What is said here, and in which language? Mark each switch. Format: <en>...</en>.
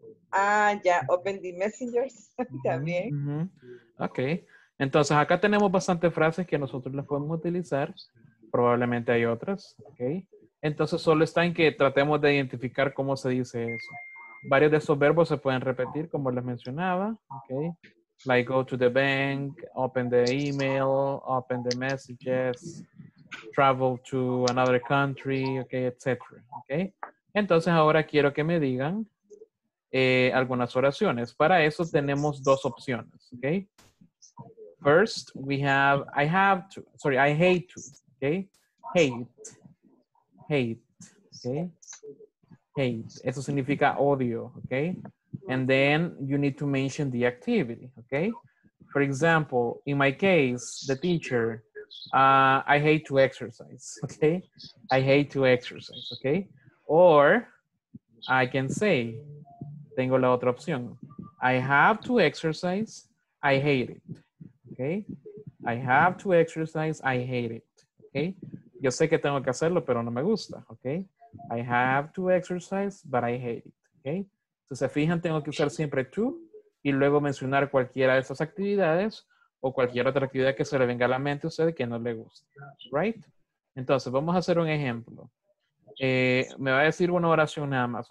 <en>Ah, ya, open the messengers</en> <es>también. Uh-huh. Ok, entonces acá tenemos bastantes frases que nosotros las podemos utilizar. Probablemente hay otras, ¿ok? Entonces, solo está en que tratemos de identificar cómo se dice eso. Varios de esos verbos se pueden repetir, como les mencionaba.</es> <en>Okay? Like, go to the bank, open the email, open the messages, travel to another country, okay, etc. Okay?</en> <es>Entonces, ahora quiero que me digan algunas oraciones. Para eso tenemos dos opciones.</es> <en>Okay? First, I hate to. Okay? Hate.</en> <es>Eso significa odio, okay?</es> <en>And then you need to mention the activity, okay? For example, in my case, the teacher, I hate to exercise, okay? I hate to exercise, okay? Or I can say,</en> <es>tengo la otra opción.</es> <en>I have to exercise, I hate it, okay? I have to exercise, I hate it, okay?</en> <es>Yo sé que tengo que hacerlo, pero no me gusta, ¿ok?</es> <en>I have to exercise, but I hate it, ¿ok?</en> <es>Si se fijan, tengo que usar siempre to y luego mencionar cualquiera de esas actividades o cualquier otra actividad que se le venga a la mente a usted que no le guste, ¿right? Entonces, vamos a hacer un ejemplo. Me va a decir una oración nada más.</es>